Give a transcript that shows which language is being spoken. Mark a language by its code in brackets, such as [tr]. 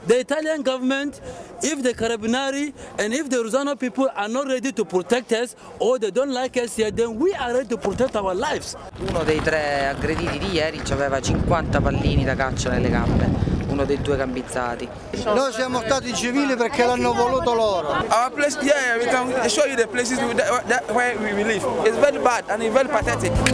[en] Italian government, if the Carabinieri and if the Rosarno people are not ready to protect us or they don't like us yet, then we are ready to protect our lives. [it] Uno dei tre aggrediti di ieri aveva 50 pallini da caccia nelle gambe, uno dei due gambizzati. Noi siamo stati civili perché l'hanno voluto loro. [en] Our place, yeah, we can show you the places where we live. It's very bad and it's very pathetic.